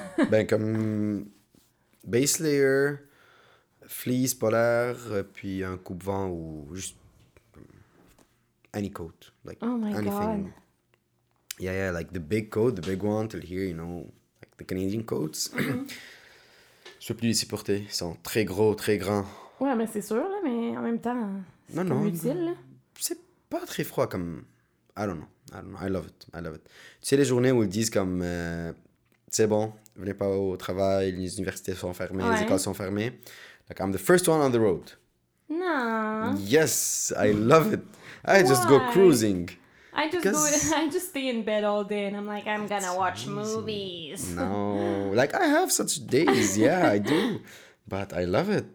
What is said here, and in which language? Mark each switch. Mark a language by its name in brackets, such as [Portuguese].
[French] Ben comme base layer, fleece polaire, puis un coupe-vent ou juste [English] any coat, like oh my anything. God. Yeah, yeah, like the big coat, the big one till here, you know, like the Canadian coats. Mm-hmm. [French] Je peux plus les supporter, ils sont très gros, très grands. Ouais, mais c'est sûr, là, mais en même temps, c'est non, comme non, utile. C'est pas très froid comme, [English] I don't know, I love it. [French] Tu sais les journées où ils disent comme... C'est bon, venez pas au travail, les universités sont fermées, ouais. Les écoles sont fermées. [English] Like, I'm the first one on the road. No. Yes, I love it. Just go cruising. I just stay in bed all day and I'm like, I'm gonna watch movies. No, like, I have such days. Yeah, I do. But I love it.